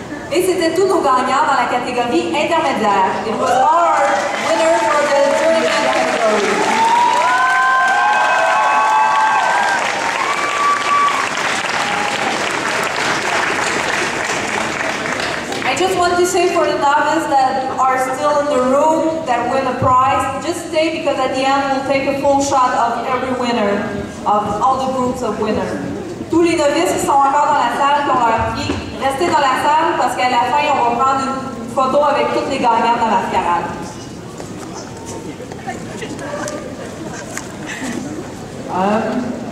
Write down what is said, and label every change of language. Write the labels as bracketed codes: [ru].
[fr] Et c'était tous nos gagnants dans la catégorie intermédiaire. [en] It was our winner for the tournament category. I just want to say for the novice that are still in the room that win a prize, just stay because at the end we'll take a full shot of every winner, of all the groups of winners. [fr] Tous les novices qui sont encore dans la salle, qui ont leur pied, restez dans la salle parce qu'à la fin on va prendre une photo avec toutes les gagnantes de la mascarade.